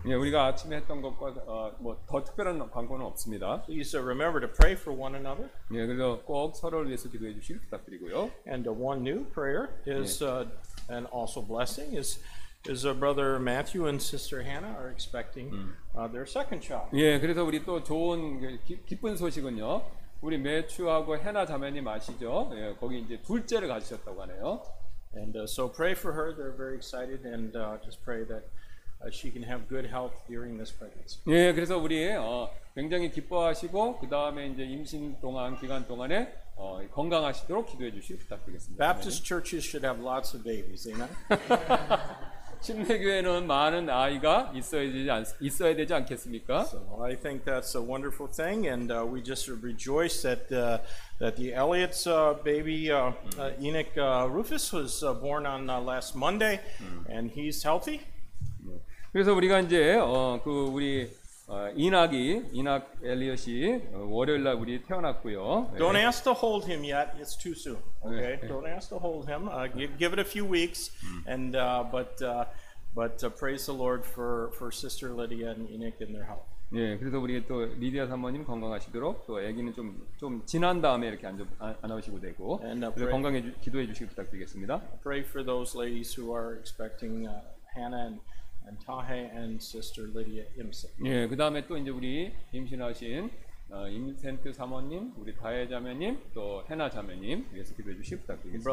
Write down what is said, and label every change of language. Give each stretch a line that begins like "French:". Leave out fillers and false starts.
Korean: 예, 우리가 아침에 했던 것과 뭐 더 특별한 광고는 없습니다.
English: Please remember to pray for one another.
Korean: 예, 그래서 꼭 서로를 위해서 기도해 주시길 부탁드리고요.
English: And one new prayer is 예. And also blessing is our brother Matthew and sister Hannah are expecting their second child.
Korean: 예, 그래서 우리 또 좋은 기쁜 소식은요. 우리 매추하고 해나 자매님 아시죠? 예, 거기 이제 둘째를 가지셨다고 하네요.
English: And so pray for her. They're very excited, and just pray that she can have good health during this pregnancy.
Korean: 예, 그래서 우리 굉장히 기뻐하시고 그 다음에 이제 임신 동안 기간 동안에 건강하시도록 기도해 주시기 부탁드리겠습니다.
English: Baptist
Korean: 아멘.
English: Churches should have lots of babies, amen.
Korean: 침례교회는 많은 아이가 있어야 되지 않겠습니까?
English: So I think that's a wonderful thing, and we just rejoice that that the Elliott's baby Enoch Rufus was born on last Monday, and he's healthy.
Korean: 그래서 우리가 이제 그 우리 이낙 엘리엇이 월요일 날 우리 태어났고요.
English: Don't ask to hold him yet. It's too soon. Okay. 네. Don't ask to hold him. Give it a few weeks. And but praise the Lord for sister Lydia and Enoch and their health.
Korean: 예, 그래서 우리 또 리디아 사모님 건강하시도록 또 아기는 좀 지난 다음에 이렇게 안아오시고 되고 그래서 건강에 기도해 주시기 부탁드리겠습니다.
English: Pray for those ladies who are expecting Hannah and Tahe and sister Lydia Imsen.
Korean: 예, 그 다음에 또 이제 우리 임신하신 임센트 사모님, 우리 다혜 자매님, 또 해나 자매님 위해서 기도해 주시기 부탁드리겠습니다.